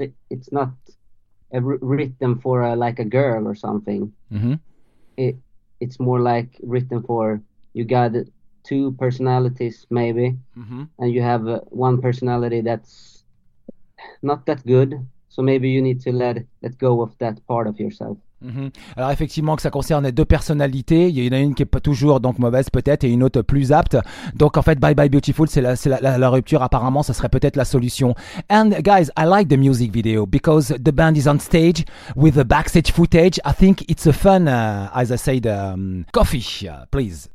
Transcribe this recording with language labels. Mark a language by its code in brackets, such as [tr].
[en] It's not written for like a girl or something. Mm-hmm. It's more like written for, you got two personalities maybe, mm-hmm. and you have one personality that's not that good. So maybe you need to let go of that part of yourself. Mm-hmm. [fr] Alors effectivement que ça concerne deux personnalités, il y en a une qui est pas toujours donc mauvaise peut-être et une autre plus apte. Donc en fait, Bye Bye Beautiful, c'est la rupture apparemment, ça serait peut-être la solution. [en] And guys, I like the music video because the band is on stage with the backstage footage. I think it's a fun, as I said, coffee, please.